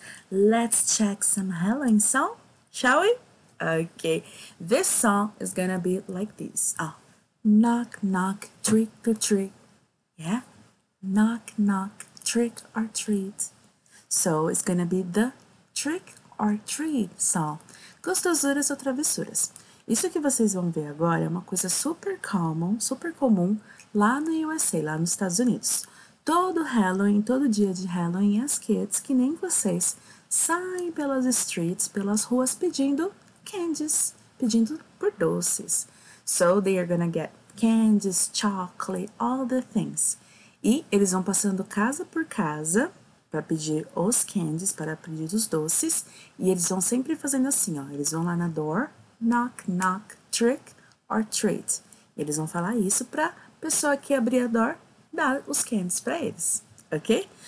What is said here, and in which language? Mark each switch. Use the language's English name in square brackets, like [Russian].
[English] Let's check some Halloween song, shall we? Okay, this song is gonna be like this. Oh, knock, knock, trick or treat. Yeah, knock, knock, trick or treat. So it's gonna be the Trick or Treat song. [Portuguese] Gostosuras ou travessuras? Isso que vocês vão ver agora é uma coisa [English] super common, [Portuguese] super comum lá no USA, lá nos Estados Unidos. Todo Halloween, todo dia de Halloween, as kids, que nem vocês, saem pelas streets, pelas ruas, pedindo candies, pedindo por doces. [English] So they are gonna get candies, chocolate, all the things. [Portuguese] E eles vão passando casa por casa para pedir os candies, para pedir os doces, e eles vão sempre fazendo assim, ó, eles vão lá na door, [English] knock, knock, trick or treat. [Portuguese] E eles vão falar isso para pessoa que abrir a door dar os candies para eles, ok?